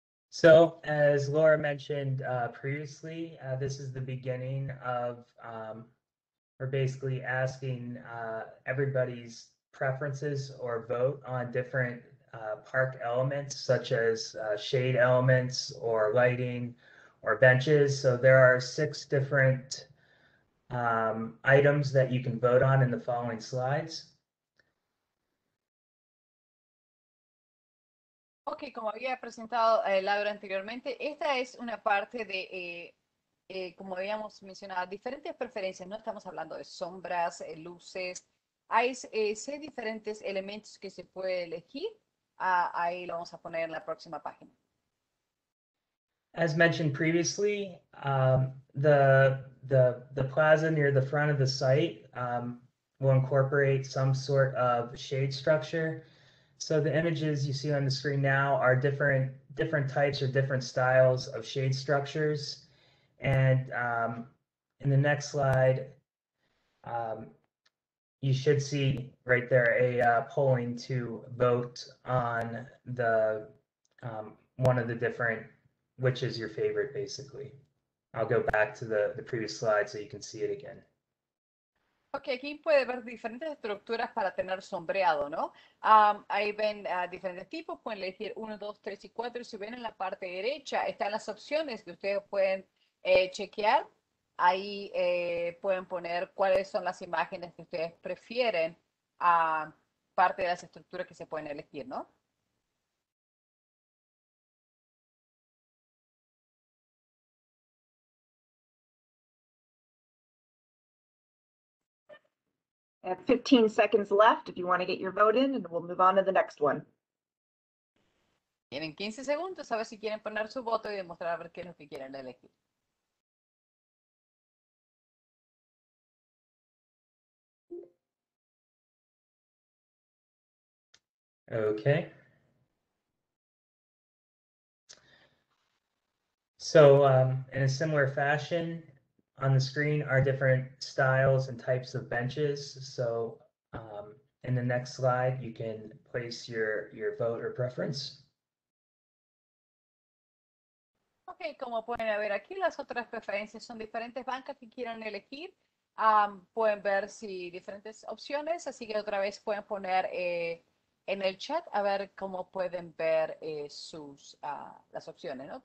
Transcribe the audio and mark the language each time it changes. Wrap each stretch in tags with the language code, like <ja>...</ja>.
<en>So, as Laura mentioned previously, this is the beginning of we're basically asking everybody's preferences or vote on different park elements, such as shade elements or lighting or benches. So there are 6 different items that you can vote on in the following slides.</en> <es>Ok, como había presentado Laura anteriormente, esta es una parte de, como habíamos mencionado, diferentes preferencias. No estamos hablando de sombras, luces. Hay 6 diferentes elementos que se puede elegir. Ahí lo vamos a poner en la próxima página.</es> <en>As mentioned previously, the plaza near the front of the site will incorporate some sort of shade structure. So the images you see on the screen now are different types or different styles of shade structures. And in the next slide, you should see right there a polling to vote on the one of the different, which is your favorite, basically. I'll go back to the previous slide so you can see it again.</en> <es>Ok, aquí puede ver diferentes estructuras para tener sombreado, ¿no? Ahí ven diferentes tipos, pueden elegir 1, 2, 3 y 4. Si ven en la parte derecha, están las opciones que ustedes pueden chequear. Ahí pueden poner cuáles son las imágenes que ustedes prefieren a parte de las estructuras que se pueden elegir, ¿no?</es> <en>I have 15 seconds left if you want to get your vote in, and we'll move on to the next one.</en> <es>Tienen 15 segundos a ver si quieren poner su voto y demostrar a ver qué es lo que quieren elegir.</es> <en>Okay. So, in a similar fashion, on the screen are different styles and types of benches. So in the next slide, you can place your vote or preference.</en> <es>Okay, como pueden ver aquí, las otras preferencias son diferentes bancas que quieran elegir. Pueden ver si diferentes opciones, así que otra vez pueden poner en el chat a ver cómo pueden ver sus las opciones, ¿no?</es>